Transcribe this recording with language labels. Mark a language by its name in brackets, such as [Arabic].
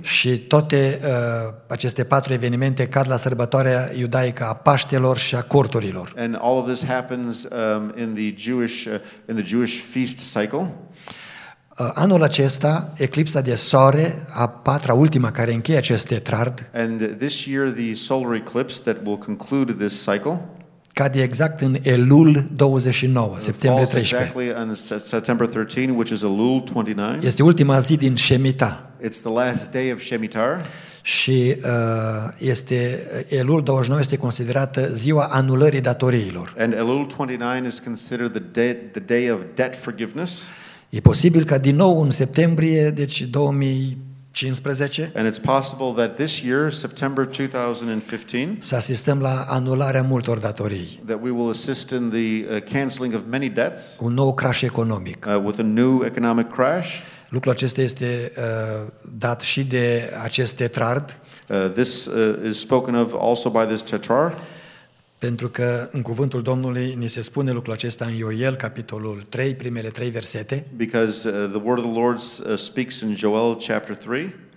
[Romanian] Și toate aceste patru evenimente cad la sărbătoarea iudaică a Paștelor și a Corturilor. [English] And all of this happens in the Jewish feast cycle. [Romanian] Anul acesta, eclipsa de soare, a patra, ultima care încheie acest tetrard. [English] And this year the solar eclipse that will conclude this cycle. [Romanian] Cade exact în Elul 29, septembrie 13. [English] Falls exactly on September 13, which is Elul 29. [Romanian] Este ultima zi din Shemita. [English] It's the last day of Shemitah. [Romanian] Și este Elul 29 este considerată ziua anulării datoriilor. [English] And Elul 29 is considered the day of debt forgiveness. [Romanian] E posibil ca din nou în septembrie, deci 2015. [English] And it's possible that this year, September 2015, [Romanian] să asistăm la anularea multor datorii. [English] That we will assist in the canceling of many debts. [Romanian] Un nou crash economic. [English] With a new economic crash. [Romanian] Lucrul acesta este dat și de acest tetrard. [English] This is spoken of also by this tetrarch. [Romanian] Pentru că în cuvântul Domnului ni se spune lucrul acesta în Ioel capitolul 3, primele 3 versete. [English] Because the word of the Lord speaks in Joel chapter 3.